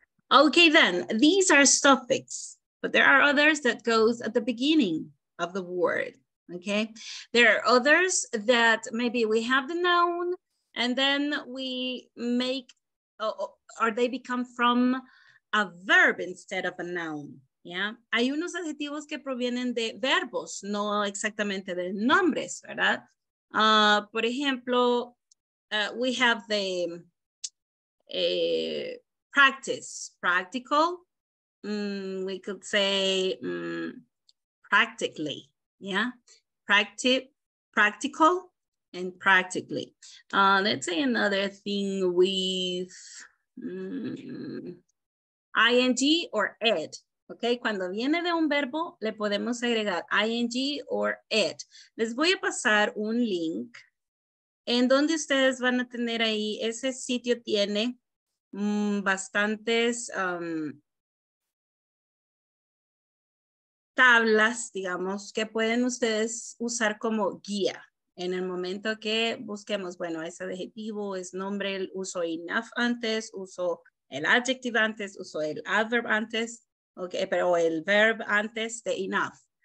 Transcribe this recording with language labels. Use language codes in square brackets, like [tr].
[en] Okay, then these are suffixes, but there are others that goes at the beginning of the word. Okay, there are others that maybe we have the noun and then we make or they become from a verb instead of a noun. [es] Yeah, hay unos adjetivos que provienen de verbos, no exactamente de nombres, ¿verdad? Por ejemplo, [en] we have the practice, practical. We could say practically, yeah. Practical and practically. Let's say another thing with ing or ed. [es] Okay, cuando viene de un verbo, le podemos agregar [en] ing or ed. [es] Les voy a pasar un link en donde ustedes van a tener ahí, ese sitio tiene bastantes tablas, digamos, que pueden ustedes usar como guía en el momento que busquemos, bueno, ese adjetivo, es nombre, el uso enough antes, uso el adjective antes, uso el adverb antes, ok, pero el verb antes de enough.